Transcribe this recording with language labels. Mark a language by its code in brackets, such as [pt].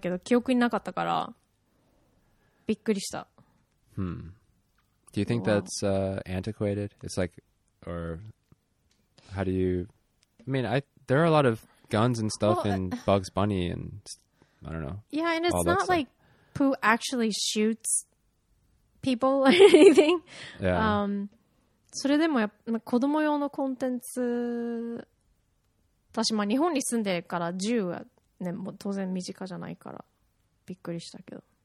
[ja] 自分が子供の時も見たのかもしれないけど記憶になかったからびっくりした. [en] Do you think that's antiquated? It's like, or how do you, I mean, there are a lot of guns and stuff in Bugs Bunny and I don't know. Yeah, and it's not like Pooh actually shoots people or anything. Yeah. [ja] それでもやっぱ子供用のコンテンツ私まあ日本に住んでるから銃はねもう当然身近じゃないからびっくりしたけど